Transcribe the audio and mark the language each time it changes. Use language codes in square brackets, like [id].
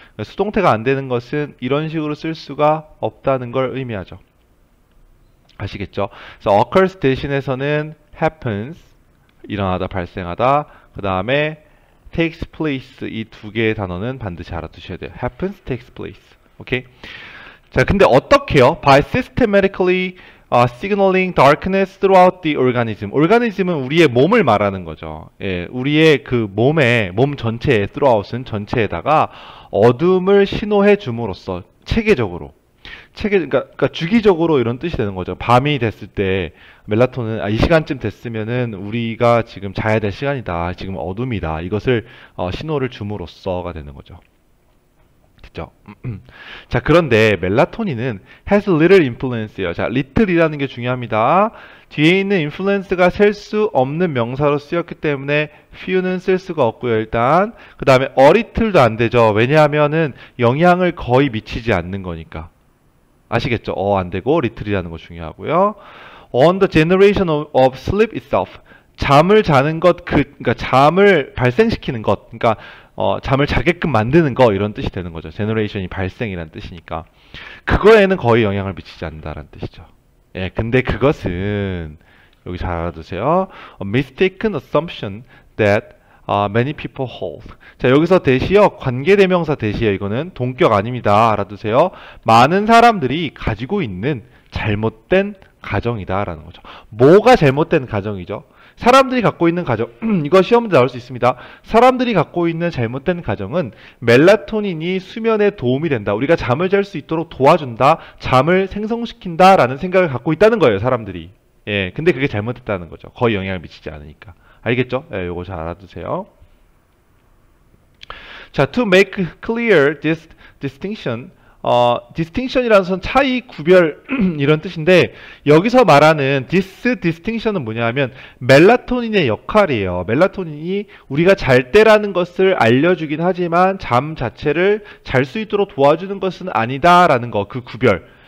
[ko] 수동태가 안 되는 것은 이런 식으로 쓸 수가 없다는 걸 의미하죠. 아시겠죠? 그래서 occurs 대신에서는 happens, 일어나다, 발생하다, 그다음에 takes place 이두 개의 단어는 반드시 알아두셔야 돼요. happens, takes place. 오케이? 자, 근데 어떻게요? [en] By systematically signaling darkness throughout the organism. [ko] organism은 우리의 몸을 말하는 거죠. 예, 우리의 그 몸에, 몸 전체에, throughout은 전체에다가 어둠을 신호해 줌으로써 체계적으로. 그러니까 주기적으로 이런 뜻이 되는 거죠. 밤이 됐을 때, 멜라토닌, 이 시간쯤 됐으면은 우리가 지금 자야 될 시간이다. 지금 어둠이다. 이것을 신호를 줌으로써가 되는 거죠. 됐죠? 자, 그런데 멜라토닌은 [en] has little influence [ko] 예요. 자, little이라는 게 중요합니다. 뒤에 있는 influence가 셀수 없는 명사로 쓰였기 때문에 few는 쓸 수가 없고요. 일단 그 다음에 a little도 안 되죠. 왜냐하면은 영향을 거의 미치지 않는 거니까. 아시겠죠? 안 되고 little이라는 거 중요하고요. [en] On the generation of sleep itself. [ko] 잠을 자는 것, 그러니까 잠을 발생시키는 것, 그러니까 잠을 자게끔 만드는 거 이런 뜻이 되는 거죠. 제너레이션이 발생이란 뜻이니까 그거에는 거의 영향을 미치지 않는다라는 뜻이죠. 예, 근데 그것은 여기 잘 알아두세요. [en] A mistaken assumption that many people hold. [ko] 자, 여기서 대시요, 관계대명사 대시요. 이거는 동격 아닙니다. 알아두세요. 많은 사람들이 가지고 있는 잘못된 가정이다라는 거죠. 뭐가 잘못된 가정이죠? 사람들이 갖고 있는 가정, 이거 시험에 나올 수 있습니다. 사람들이 갖고 있는 잘못된 가정은 멜라토닌이 수면에 도움이 된다. 우리가 잠을 잘수 있도록 도와준다. 잠을 생성시킨다라는 생각을 갖고 있다는 거예요, 사람들이. 예, 근데 그게 잘못됐다는 거죠. 거의 영향을 미치지 않으니까. 알겠죠? 예, 요거 잘 알아두세요. [en] 자, to make clear this distinction. [ko] distinction이라는 것은 차이, 구별, 이런 뜻인데, 여기서 말하는 [en] this distinction [ko] 은 뭐냐면, 멜라토닌의 역할이에요. 멜라토닌이 우리가 잘 때라는 것을 알려주긴 하지만, 잠 자체를 잘수 있도록 도와주는 것은 아니다라는 거, 그 구별.